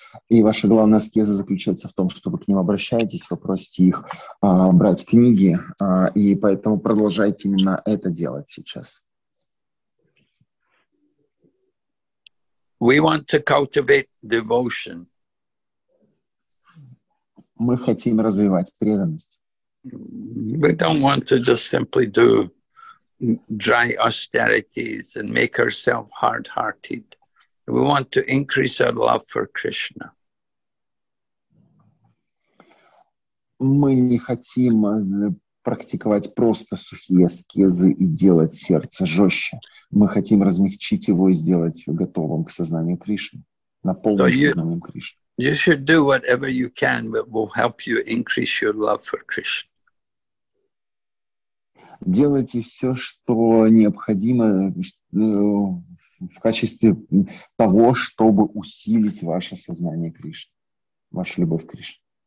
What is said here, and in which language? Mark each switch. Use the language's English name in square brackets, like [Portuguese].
[Russian] И ваша главная аскеза заключается в том, что вы к ним обращаетесь, вы просите их брать книги, и поэтому продолжайте именно это делать сейчас. [English] We want to cultivate devotion. [Russian] Мы хотим развивать преданность. [English] We don't want to just simply do dry austerities and make ourselves hard-hearted. We want to increase our love for Krishna. [Russian] Мы не хотим практиковать просто сухие аскезы и делать сердце жестче. Мы хотим размягчить его и сделать его готовым к сознанию Кришны, наполнить сознанием Кришны. [English] You should do whatever you can that will help you increase your love for Krishna. [Russian] Делайте все, что необходимо в качестве того, чтобы усилить ваше сознание Кришны, вашу любовь к Кришне.